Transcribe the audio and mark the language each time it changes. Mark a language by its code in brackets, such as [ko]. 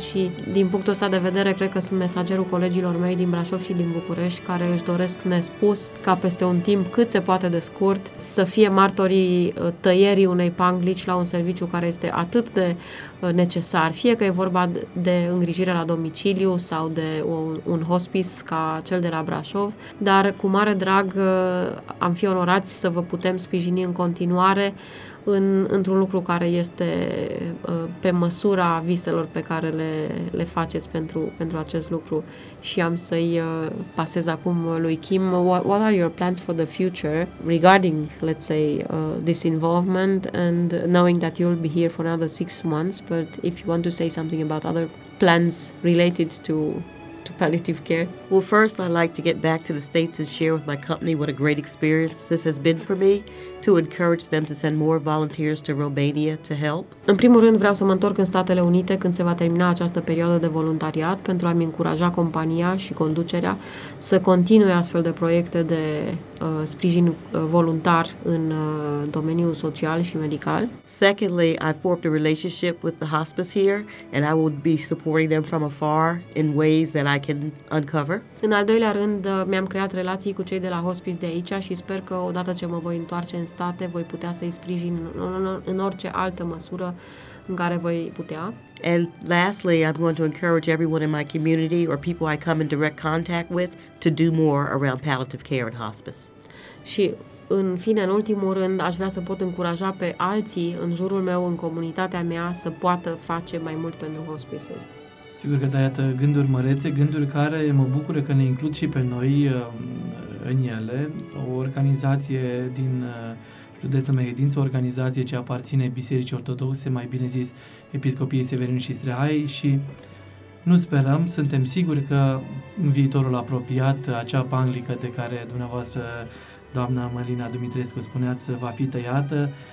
[ro] Și din punctul ăsta de vedere, cred că sunt mesagerul colegilor mei din Brașov și din București, care își doresc nespus ca peste un timp cât se poate de scurt să fie martorii tăierii unei panglici la un serviciu care este atât de necesar, fie că e vorba de îngrijire la domiciliu sau de un hospice ca cel de la Brașov, dar cu mare drag am fi onorați să vă putem sprijini în continuare într-un lucru care este pe măsura viselor pe care le faceți pentru acest lucru. Și am să-i pasez acum lui Kim. [en] What are your plans for the future regarding, let's say, this involvement and knowing that you'll be here for another 6 months, but if you want to say something about other plans related to palliative care? Well, first I'd like to get back to the States and share with my company what a great experience this has been for me, to encourage them to send more volunteers to Romania to help. [ro] În primul rând vreau să mă întorc în Statele Unite când se va termina această perioadă de voluntariat, pentru a-mi încuraja compania și conducerea să continue astfel de proiecte de sprijin voluntar în domeniul social și medical. [en] Secondly, I formed a relationship with the hospice here and I would be supporting them from afar in ways that I can uncover. [ro] În al doilea rând, mi-am creat relații cu cei de la hospice de aici și sper că odată ce mă voi întoarce în state, voi putea să-i sprijin în orice altă măsură în care voi putea. [en] And lastly, I'm going to encourage everyone in my community or people I come in direct contact with to do more around palliative care and hospice. [ro] Și în fine, în ultimul rând, aș vrea să pot încuraja pe alții în jurul meu, în comunitatea mea, să poată face mai mult pentru hospice-uri. Sigur că dai, iată, gânduri mărețe, gânduri care mă bucură că ne includ și pe noi în ele. O organizație din județul Mehedinți, o organizație ce aparține Bisericii Ortodoxe, mai bine zis Episcopiei Severin și Strehai, și nu sperăm, suntem siguri că în viitorul apropiat acea panglică de care dumneavoastră, doamna Mălina Dumitrescu, spuneați, va fi tăiată.